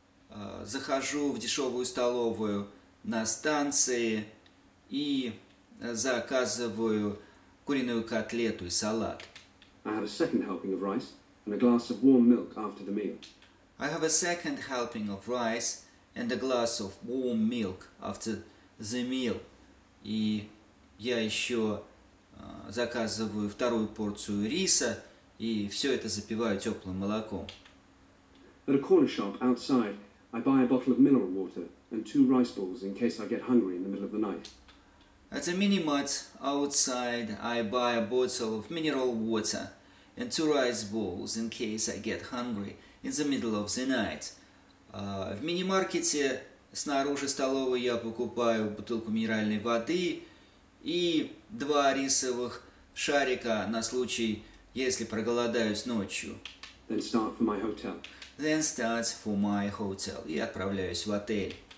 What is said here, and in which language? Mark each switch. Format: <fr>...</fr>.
<ru>Я захожу в дешевую столовую на станции и заказываю куриную котлету и салат.</ru> <en>I have a second helping of rice and a glass of warm milk after the meal. I have a second helping of rice and a glass of warm milk after the meal.</en> <ru>И я еще заказываю вторую порцию риса, и все это запиваю теплым молоком.</ru> <en>At a corner shop outside, I buy a bottle of mineral water and two rice balls in case I get hungry in the middle of the night. At a mini-mart outside, I buy a bottle of mineral water and two rice balls in case I get hungry in the middle of the night.</en> <ru>В мини-маркете снаружи столовой я покупаю бутылку минеральной воды и два рисовых шарика на случай, если проголодаюсь ночью.</ru> <en>Then start for my hotel. Then start for my hotel.</en> <ru>Я отправляюсь в отель.</ru>